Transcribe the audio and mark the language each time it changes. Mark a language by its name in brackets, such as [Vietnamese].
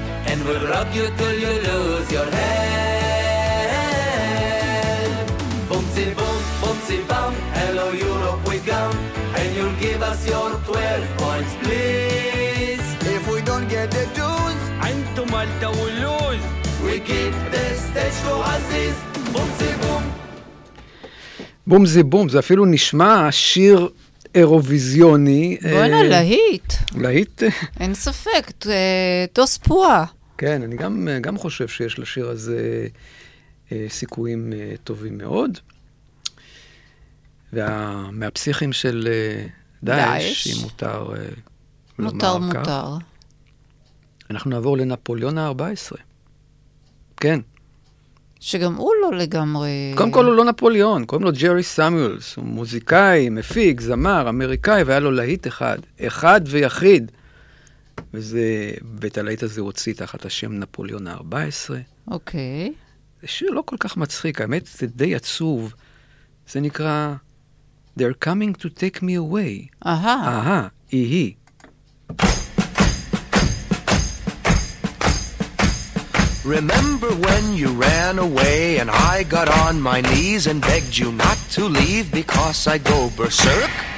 [English] and we'll rock you till you lose your head. Boom-zi-boom, boom-zi-bam, hello Europe we come. And you'll give us your 12 points, please. If we don't get the dues, and to Malta we'll lose. We keep the stage for Aziz. [Hebrew] בום זי בום, זה אפילו נשמע שיר אירוויזיוני. בואנה, להיט. להיט? אין ספק, דוס פועה. כן, אני גם חושב שיש לשיר הזה סיכויים טובים מאוד. מהפסיכים של דאעש, אם מותר לומר כך. מותר. אנחנו נעבור לנפוליאון ה-14. כן. שגם הוא לא לגמרי... קודם כל הוא לא נפוליאון, קוראים לו ג'רי סמיולס, הוא מוזיקאי, מפיק, זמר, אמריקאי, והיה לו להיט אחד, אחד ויחיד. וזה, ואת הלהיט הזה הוציא תחת השם נפוליאון ה-14. אוקיי. זה שיר לא כל כך מצחיק, האמת זה די עצוב. זה נקרא [English] They're coming to take me away. [Hebrew] אהה, אי-הי. [English] Remember when you ran away and I got on my knees and begged you not to leave because I go berserk?